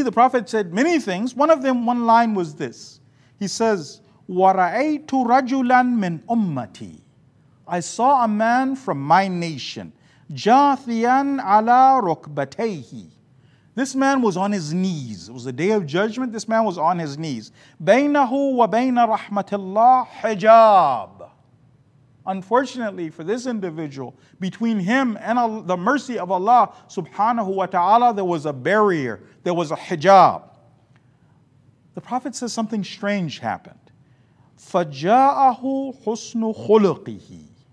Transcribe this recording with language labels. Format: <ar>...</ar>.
<en>The Prophet said many things. One of them, one line was this. He says,</en> <ar>"Wara'aytu rajulan min ummati."</ar> <en>I saw a man from my nation.</en> <ar>جاثياً على ركبتيه.</ar> <en>This man was on his knees. It was the day of judgment. This man was on his knees.</en> <ar>بينه وبين رحمة الله حجاب.</ar> <en>Unfortunately for this individual, between him and the mercy of Allah subhanahu wa ta'ala, there was a barrier. There was a hijab. The Prophet says something strange happened.</en> <ar>فَجَاءَهُ حُسْنُ خُلُقِهِ.</ar>